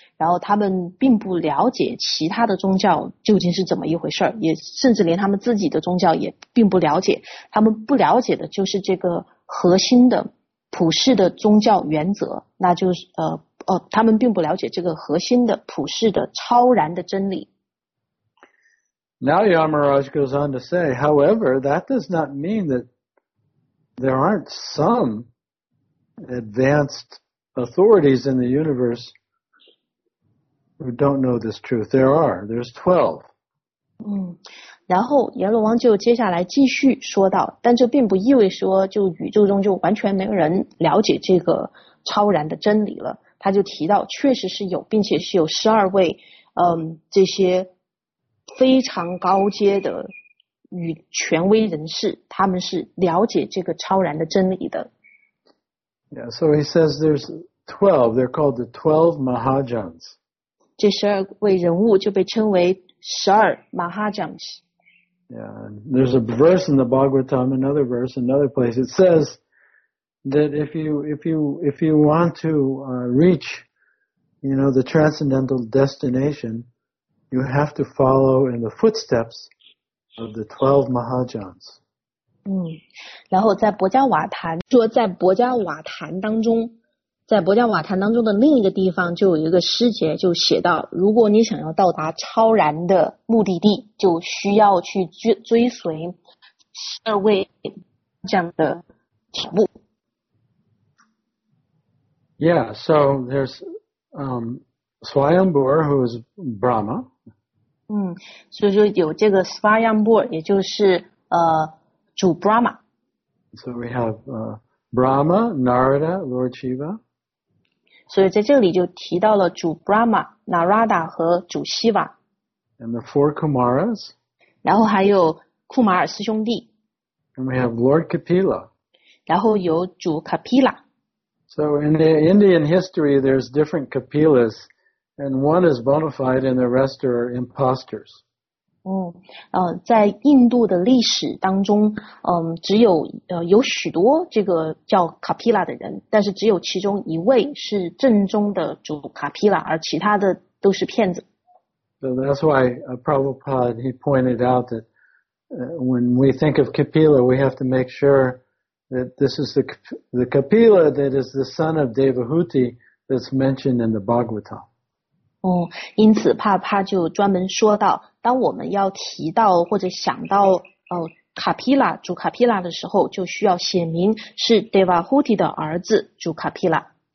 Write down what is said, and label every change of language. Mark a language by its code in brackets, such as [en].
[zh] 然后他们并不了解其他的宗教究竟是怎么一回事，也甚至连他们自己的宗教也并不了解。他们不了解的就是这个核心的普世的宗教原则，那就是他们并不了解这个核心的普世的超然的真理。 [en] Now Yamaraj goes on to say, however, that does not mean that there aren't some advanced authorities in the universe who don't know this truth. There are. There's 12. [zh] 然后阎罗王就接下来继续说道，但这并不意味说就宇宙中就完全没有人了解这个超然的真理了。他就提到确实是有，并且是有12位这些非常高阶的与权威人士，他们是了解这个超然的真理的。 [en] Yeah, so he says there's 12, they're called the 12 Mahajans. [zh] 这12位人物就被称为12 Mahajans. [en] Yeah, there's a verse in the Bhagavatam, another verse, another place. It says that if you want to reach, you know, the transcendental destination,You have to follow in the footsteps of the 12 Mahajans. [zh] 然后在博迦瓦坛，说在博迦瓦坛当中，在博迦瓦坛当中的另一个地方，就有一个师姐就写到，如果你想要到达超然的目的地，就需要去追随12位这样的脚步。 [en] Yeah, so there's Swayambhur, who is Brahma. [zh] 所以说有这个 Svayambhur, 也就是主 Brahma. [en] So we have Brahma, Narada, Lord Shiva. [zh] 所以在这里就提到了主 Brahma, Narada 和主 Shiva. [en] And the four Kumaras. [zh] 然后还有库马尔四兄弟。 [en] And we have Lord Kapila. [zh] 然后有主 Kapila. [en] So in the Indian history, there's different Kapilas. And one is bona fide and the rest are imposters. [zh] 在印度的历史当中只有有许多这个叫卡皮拉的人，但是只有其中一位是正宗的主卡皮拉，而其他的都是骗子。 [en] So that's why Prabhupada, he pointed out that when we think of Kapila, we have to make sure that this is the Kapila that is the son of Devahuti that's mentioned in the Bhagavatam. [zh] 因此帕帕就专门说到，当我们要提到或者想到卡皮拉主卡皮拉的时候，就需要写明是 Devahuti 的儿子主卡皮拉。